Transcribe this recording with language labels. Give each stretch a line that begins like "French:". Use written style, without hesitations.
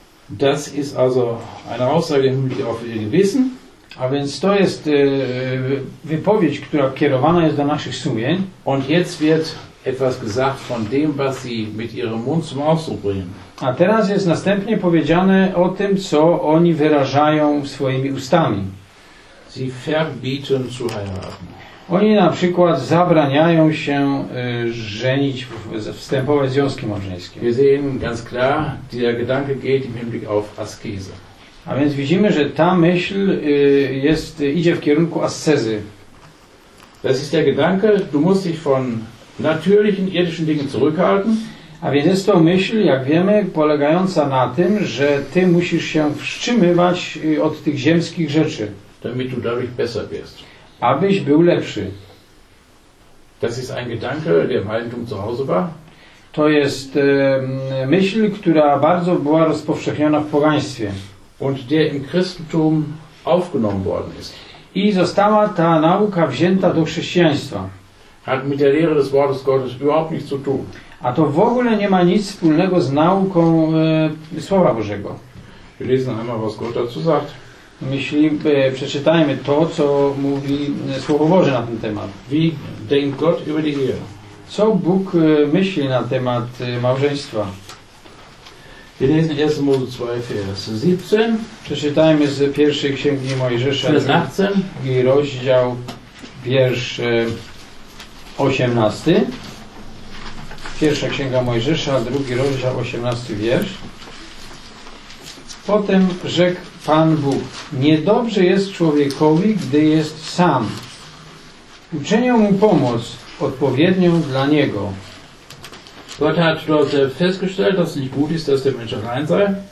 German: Das ist also eine Aussage im Hinblick auf Ihr Gewissen.
Polish: A więc to jest wypowiedź, która kierowana jest do naszych sumień.
German: Und jetzt wird etwas gesagt von dem, was sie mit ihrem Mund zum Ausdruck bringen.
Polish: A teraz jest następnie powiedziane o tym, co oni wyrażają swoimi ustami.
German: sie verbieten zu heiraten.
Polish: Oni na przykład zabraniają się żenić, wstępować w związki małżeńskie.
German: Wir sehen ganz klar, der Gedanke geht im Hinblick auf Askese.
Polish: A więc widzimy, że ta myśl jest, idzie w kierunku ascezy.
German: Das ist der Gedanke, du musst dich von natürlichen irdischen Dingen zurückhalten.
Polish: A więc jest to myśl, jak wiemy, polegająca na tym, że ty musisz się wstrzymywać od tych ziemskich rzeczy.
German: Damit du dadurch besser wirst.
Polish: Abyś był lepszy.
German: Das ist ein Gedanke, der im Heidentum zu Hause war.
Polish: To jest myśl, która bardzo była rozpowszechniona w pogaństwie.
German: Und der im Christentum aufgenommen worden ist.
Polish: I została ta nauka wzięta do chrześcijaństwa.
German: Hat mit der Lehre des Wortes Gottes überhaupt nichts zu tun.
Polish: A to w ogóle nie ma nic wspólnego z nauką Słowa Bożego.
German: Wir lesen einmal, was Gott dazu sagt.
Polish: Myśli, przeczytajmy to, co mówi Słowo Boże na ten temat.
German: Wie denkt Gott über die Ehe?
Polish: Co Bóg myśli na temat małżeństwa?
German: Wir lesen 1. Mose 2, Vers 17.
Polish: Przeczytajmy z pierwszej Księgi Mojżesza.
German: Vers 18.
Polish: I rozdział, wiersz 18. Pierwsza Księga Mojżesza, drugi rozdział, 18 wiersz. Potem rzekł Pan Bóg: niedobrze jest człowiekowi, gdy jest sam. Uczynię mu pomoc odpowiednią dla niego.
German: Gott hat dort festgestellt, dass es nicht gut ist, dass der Mensch allein sei.